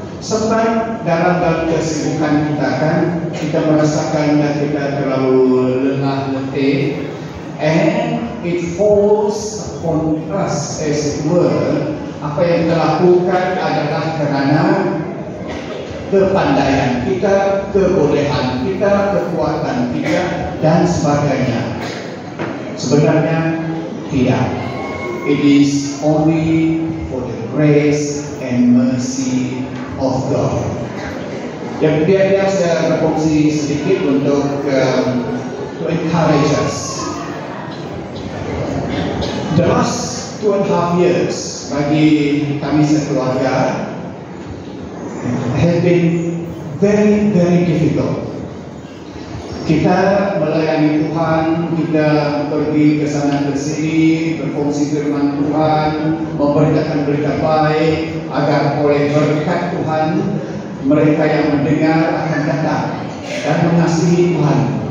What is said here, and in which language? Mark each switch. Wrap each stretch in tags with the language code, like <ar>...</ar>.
<ms>Sebab dalam kesibukan kita kan, kita merasakan</ms> <en>that</en> <ms>kita terlalu lelah letih,</ms> <en>and it falls upon us as it were.</en> <ms>Apa yang kita lakukan adalah karena kepandaian kita, kebolehan kita, kekuatan kita, dan sebagainya. Sebenarnya tidak.</ms> <en>It is only for the grace and mercy of God.</en> <ms>Yang kedua, saya berfungsi sedikit untuk</ms> <en>to encourage us. The last 2.5 years</en> <ms>bagi kami sekeluarga</ms> <en>have been very, very difficult.</en> <ms>Kita melayani Tuhan, kita pergi ke sana ke sini, berfungsi firman Tuhan, memberitakan berita baik, agar oleh berkat Tuhan, mereka yang mendengar akan datang dan mengasihi Tuhan.</ms>